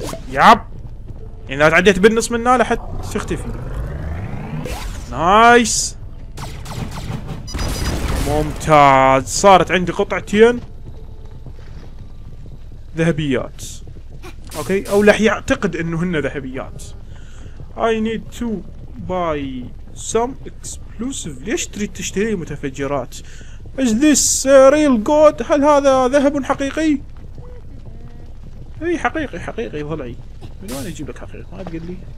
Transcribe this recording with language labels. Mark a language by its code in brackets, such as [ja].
[ar] ياب. يعني اذا اتعديت بالنص منها راح تختفي. نايس. ممتاز. صارت عندي قطعتين ذهبيات. اوكي. او راح يعتقد انه هن ذهبيات. [en] I need to buy some explosive. [ar] ليش تريد تشتري متفجرات؟ [en] Is this real gold؟ [ar] هل هذا ذهب حقيقي؟ اي حقيقي حقيقي ضلعي. من وين اجيب لك حقيقي؟ ما تقول لي.